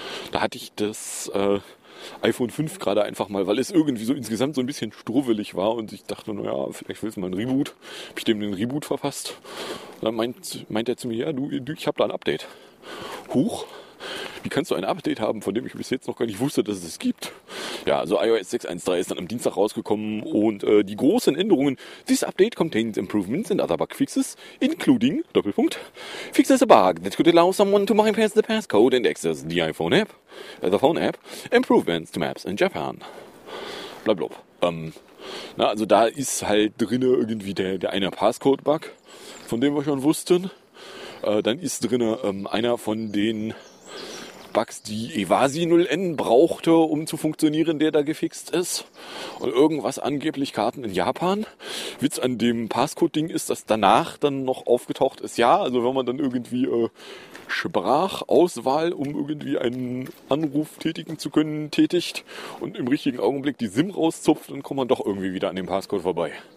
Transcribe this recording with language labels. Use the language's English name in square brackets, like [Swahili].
[German] Da hatte ich das iPhone 5 gerade einfach mal, weil es irgendwie so insgesamt so ein bisschen struwelig war und ich dachte, naja, vielleicht willst du mal einen Reboot. Hab ich dem den Reboot verpasst. Und dann meint er zu mir, ja, du, ich habe da ein Update. Huch, wie kannst du ein Update haben, von dem ich bis jetzt noch gar nicht wusste, dass es gibt? Ja, also iOS 6.1.3 ist dann am Dienstag rausgekommen und die großen Änderungen. [English] This update contains improvements and other bug fixes, including, [German] Doppelpunkt, [English] fixes a bug that could allow someone to bypass the passcode and access the iPhone app, the phone app, improvements to maps in Japan. Blablab. [German] Na, also da ist halt drin irgendwie der eine Passcode-Bug, von dem wir schon wussten. Dann ist drin einer von den Bugs, die Evasi 0N brauchte, um zu funktionieren, der da gefixt ist. Und irgendwas angeblich Karten in Japan. Witz an dem Passcode-Ding ist, dass danach dann noch aufgetaucht ist, ja, also wenn man dann irgendwie Sprachauswahl, um irgendwie einen Anruf tätigen zu können, tätigt und im richtigen Augenblick die SIM rauszupft, dann kommt man doch irgendwie wieder an dem Passcode vorbei.